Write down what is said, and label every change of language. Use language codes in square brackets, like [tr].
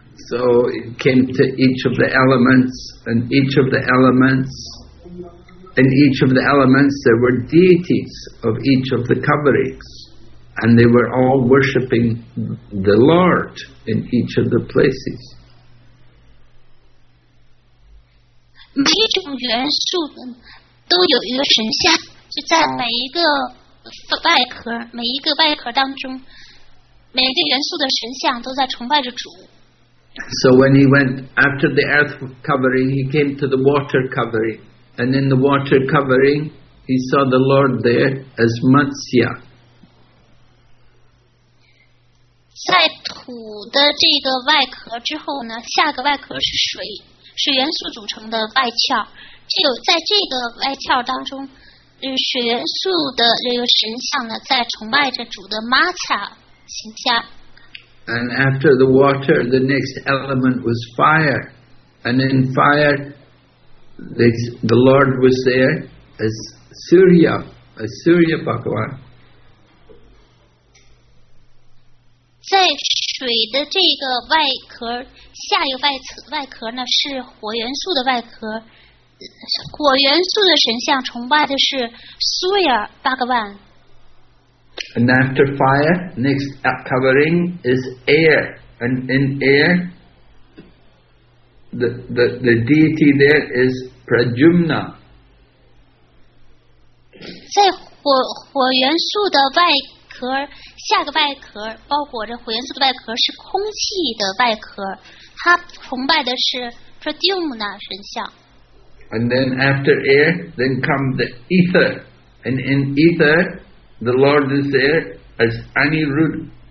[en] So it came to each of the elements, and each of the elements. In each of the elements, there were deities of each of the coverings, and they were all worshipping the Lord in each of the places. [zh] 每一种元素都有一个神像，就在每一个外壳，每一个外壳当中，每一个元素的神像都在崇拜着主。 [en] So when he went after the earth covering, he came to the water covering. And in the water covering, he saw the Lord there as Matsya. [zh] 在土的这个外壳之后呢，下个外壳是水，水元素组成的外壳。只有在这个外壳当中，水元素的这个神像呢，在崇拜着主的 Matsya 形象。 [en] And after the water, the next element was fire. And in fire,The Lord was there as Surya Bhagavan. [zh] 在水的这个外壳，下一个外壳呢是火元素的外壳。火元素的神像崇拜的是 Surya Bhagavan. [en] And after fire, next covering is air. And in air, the deity there is. Prajumna. [zh] 在 火元素的外壳，下个外壳包裹着火元素的外壳是空气的外壳，他崇拜的是 Prajumna 神像。 [en] And then after air, then come the ether. And in ether, the Lord is there as Anirudh.